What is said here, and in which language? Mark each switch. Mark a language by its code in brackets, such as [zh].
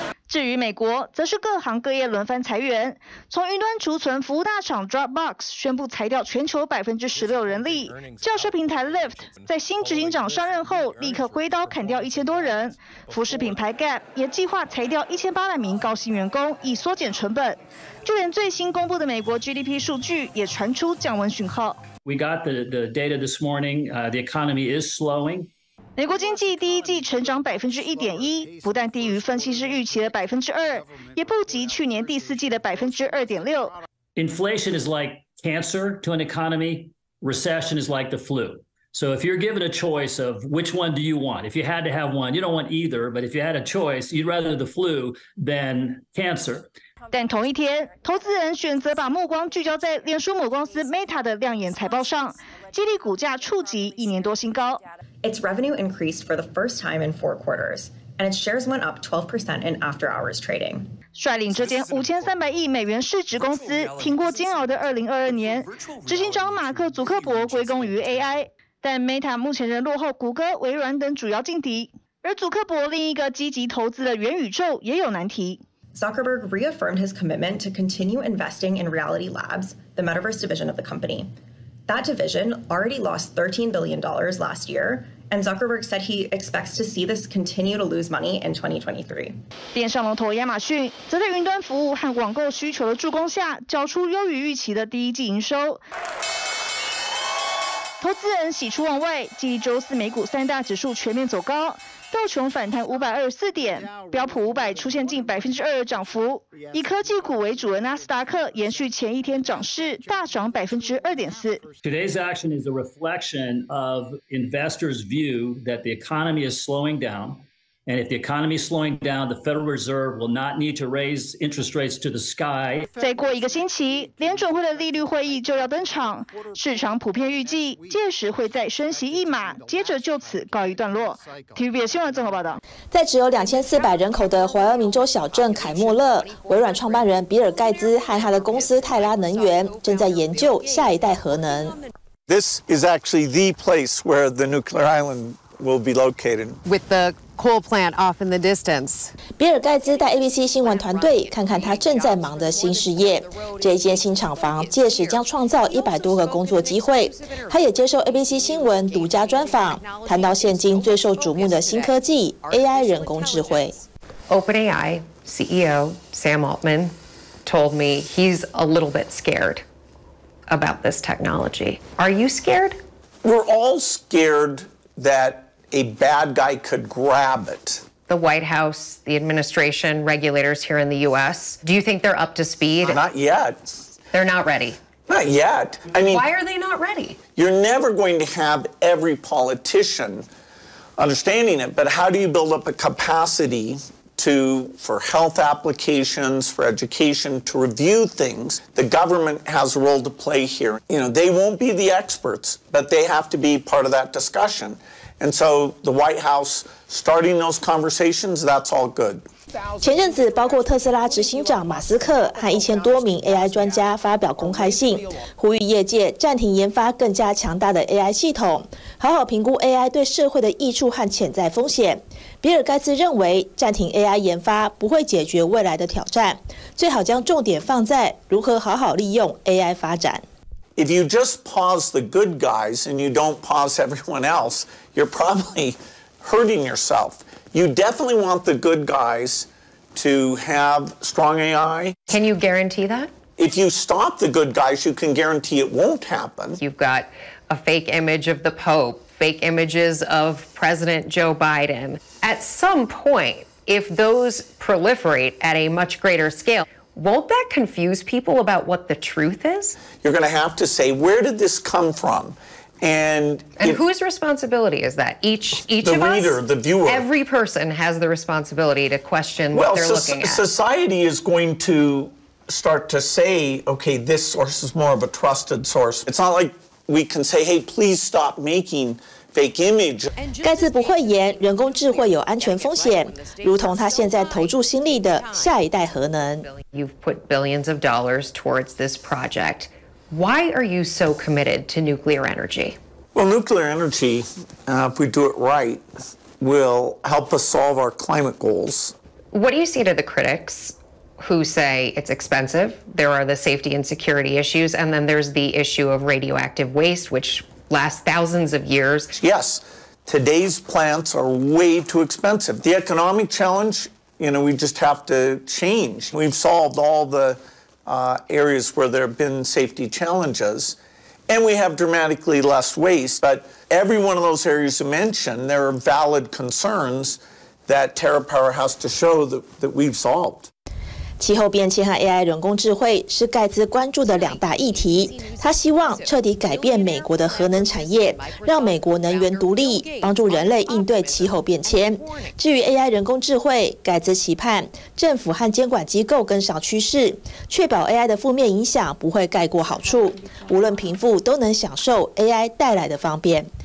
[zh] 至于美国，则是各行各业轮番裁员，从云端储存服务大厂 Dropbox 宣布裁掉全球16%人力，教师平台 Lyft 在新执行长上任后立刻挥刀砍掉1000多人，服饰品牌 Gap 也计划裁掉1800名高薪员工以缩减成本，就连最新公布的美国 GDP 数据也传出降温讯号。 [en] We got the data this morning, the economy is slowing. [zh] 美国经济第一季成长1.1%，不但低于分析师预期的2%，也不及去年第四季的2.6%。 [en] Inflation is like cancer to an economy. Recession is like the flu. So if you're given a choice of which one do you want, if you had to have one, you don't want either. But if you had a choice, you'd rather the flu than cancer. [zh] 但同一天，投资人选择把目光聚焦在脸书母公司 Meta 的亮眼财报上，激励股价触及一年多新高。 [en] Its revenue increased for the first time in 4 quarters, and its shares went up 12% in after-hours trading. [zh] 率领这间5300亿美元市值公司挺过煎熬的2022年，执行长马克·祖克伯归功于 AI， 但 Meta 目前仍落后谷歌、微软等主要劲敌。而祖克伯另一个积极投资的元宇宙也有难题。 [en] Zuckerberg reaffirmed his commitment to continue investing in Reality Labs, the metaverse division of the company. That division already lost $13 billion last year, and Zuckerberg said he expects to see this continue to lose money in 2023. [zh] 电商龙头亚马逊则在云端服务和网购需求的助攻下，交出优于预期的第一季营收。投资人喜出望外，继周四美股三大指数全面走高，道琼反弹524点，标普500出现近2%的涨幅。以科技股为主的纳斯达克延续前一天涨势，大涨2.4%。 [en] Today's action is a reflection of investors' view that the economy is slowing down, and if the economy is slowing down, the Federal Reserve will not need to raise interest rates to the sky. [zh] 再过一个星期，联准会的利率会议就要登场，市场普遍预计届时会再升息一码，接着就此告一段落。 TVBS 新闻综合报道。在只有2400人口的怀俄明州小镇凯莫勒，微软创办人比尔盖茨和他的公司泰拉能源正在研究下一代核能。 [en] This is actually the place where the nuclear island will be located. With the coal plant off in the distance. [zh] 比尔盖茨带 ABC 新闻团队看看他正在忙的新事业。这一间新厂房届时将创造100多个工作机会。他也接受 ABC 新闻独家专访，谈到现今最受瞩目的新科技 AI 人工智慧。 [en] OpenAI CEO Sam Altman told me he's a little bit scared about this technology. Are you scared? We're all scared that. A bad guy could grab it. The White House, the administration, regulators here in the US, do you think they're up to speed? Not yet. They're not ready. Not yet. I mean, why are they not ready? You're never going to have every politician understanding it, but how do you build up a capacity for health applications, for education, to review things? The government has a role to play here. You know, they won't be the experts, but they have to be part of that discussion. And so the White House starting those conversations, that's all good. [zh] 前阵子，包括特斯拉执行长马斯克和1000多名 AI 专家发表公开信，呼吁业界暂停研发更加强大的 AI 系统，好好评估 AI 对社会的益处和潜在风险。比尔盖茨认为，暂停 AI 研发不会解决未来的挑战，最好将重点放在如何好好利用 AI 发展。 [en] If you just pause the good guys and you don't pause everyone else, you're probably hurting yourself. You definitely want the good guys to have strong AI. Can you guarantee that? If you stop the good guys, you can guarantee it won't happen. You've got a fake image of the Pope, fake images of President Joe Biden. At some point, if those proliferate at a much greater scale,Won't that confuse people about what the truth is? You're going to have to say, where did this come from? And whose responsibility is that? Each of us? The reader, the viewer. Every person has the responsibility to question what they're looking at. Well, society is going to start to say, okay, this source is more of a trusted source. It's not like we can say, hey, please stop making... Fake image. [zh] 盖茨不讳言，人工智慧有安全风险，如同他现在投注心力的下一代核能。 [en] You've put billions of dollars towards this project. Why are you so committed to nuclear energy? Well, nuclear energy, if we do it right, will help us solve our climate goals. What do you say to the critics who say it's expensive? There are the safety and security issues, and then there's the issue of radioactive waste, which. Last thousands of years. Yes, today's plants are way too expensive. The economic challenge, you know, we just have to change. We've solved all the areas where there have been safety challenges, and we have dramatically less waste. But every one of those areas you mentioned, there are valid concerns that TerraPower has to show that we've solved. [zh] 气候变迁和 AI 人工智慧是盖茨关注的两大议题。他希望彻底改变美国的核能产业，让美国能源独立，帮助人类应对气候变迁。至于 AI 人工智慧，盖茨期盼政府和监管机构跟上趋势，确保 AI 的负面影响不会盖过好处，无论贫富都能享受 AI 带来的方便。